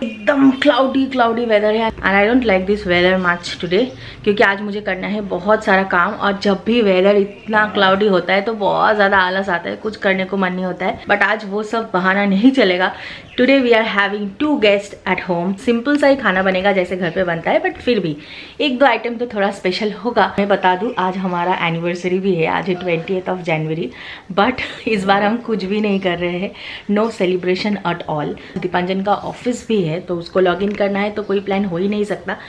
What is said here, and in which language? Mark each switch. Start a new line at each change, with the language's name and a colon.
Hindi: एकदम cloudy weather है
English: and I don't like this weather much today
Hindi: क्योंकि आज मुझे करना है बहुत सारा काम और जब भी weather इतना cloudy होता है तो बहुत ज़्यादा आलस आता है, कुछ करने को मन नहीं होता है। But आज वो सब बहाना नहीं चलेगा।
English: Today we are having two guests at home.
Hindi: Simple सा ही खाना बनेगा जैसे घर पे बनता है, but फिर भी एक दो item तो थोड़ा special होगा। मैं बता दूँ, आज हमारा anniversary भी है, आज है 20th of January, but इस बार हम कुछ भी नहीं कर रहे हैं,
English: no celebration at all.
Hindi: Dipanjan का ऑफिस भी है तो उसको लॉग इन करना है, तो कोई प्लान हो ही नहीं सकता।